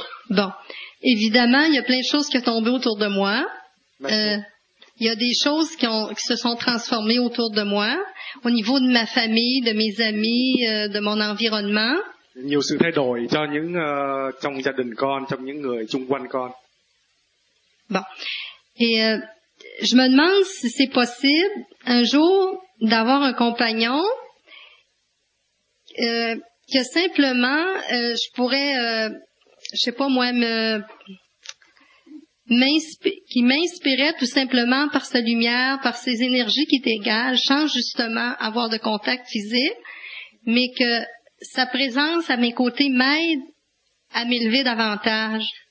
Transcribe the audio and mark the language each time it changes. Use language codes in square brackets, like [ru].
[fr] Bon, évidemment, il y a plein de choses qui sont tombées autour de moi. Il y a des choses qui se sont transformées autour de moi, au niveau de ma famille, de mes amis, de mon environnement. [vi] Nhiều sự thay đổi cho những trong gia đình con, trong những người xung quanh con. [fr] Bon. Et je me demande si c'est possible un jour d'avoir un compagnon que simplement je pourrais je sais pas moi qui m'inspirait tout simplement par sa lumière, par ses énergies qui dégagent, sans justement avoir de contact physique, mais que sa présence à mes côtés m'aide à m'élever davantage.